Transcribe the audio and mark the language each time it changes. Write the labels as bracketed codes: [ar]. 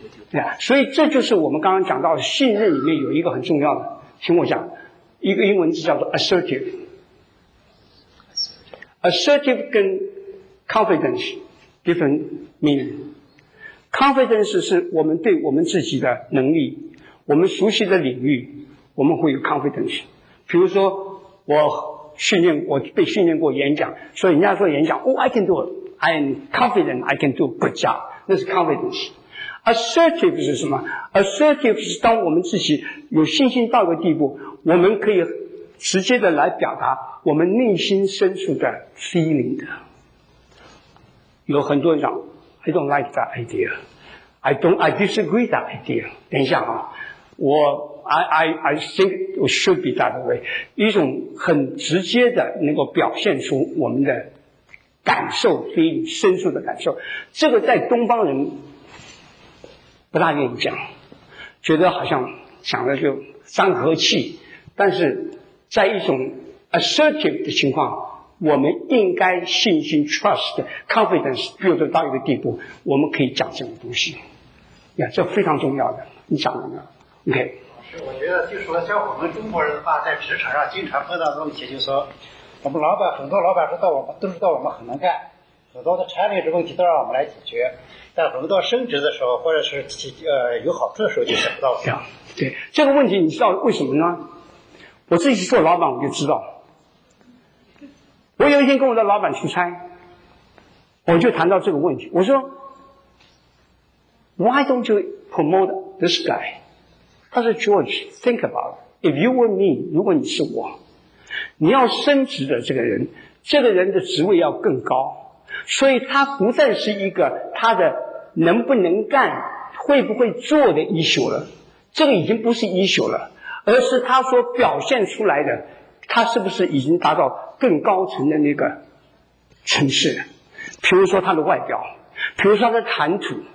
[zh] 对啊，所以这就是我们刚刚讲到信任里面有一个很重要的，听我讲，一个英文字叫做 assertive。 [en] assertive [zh] 跟 [en] confidence different meaning。 [zh] confidence 是我们对我们自己的能力，我们熟悉的领域，我们会有 confidence。比如说我被训练过演讲，所以人家说演讲 [en] Oh, I can do it. I am confident I can do a good job. [zh] 那是 confidence. Assertive 是什么？Assertive 是当我们自己有信心到一个地步，我们可以直接的来表达我们内心深处的 feeling 的。有很多人讲 [en] I don't like that idea. I disagree that idea. [zh] 等一下啊，我 [en] I think it should be that way. [zh] 一种很直接的能够表现出我们的感受，非常深处的感受。这个在东方人不大愿意讲，觉得好像讲的就伤和气。但是在一种 assertive 的情况，我们应该信心 [en] trust confidence build [zh] 到一个地步，我们可以讲这种东西。 Yeah, 这非常重要的，你讲了没有？ [en] OK。 [zh] 我觉得就是说像我们中国人的话，在职场上经常碰到的问题，就是说我们老板，很多老板说到我们都知道我们很能干，很多的 challenge 问题都让我们来解决，但轮到升职的时候或者是有好处的时候就想不到。对，这个问题你知道为什么呢？我自己做老板我就知道。我有一天跟我的老板出差，我就谈到这个问题，我说 [en] Why don't you promote this guy? [zh] 他说 [en] George, think about it. If you were me, [zh] 如果你是我，你要升职的这个人，这个人的职位要更高，所以他不再是一个他的能不能干、会不会做的 issue 了，这个已经不是 issue 了，而是他所表现出来的，他是不是已经达到更高层的那个层次，比如说他的外表，比如说他的谈吐，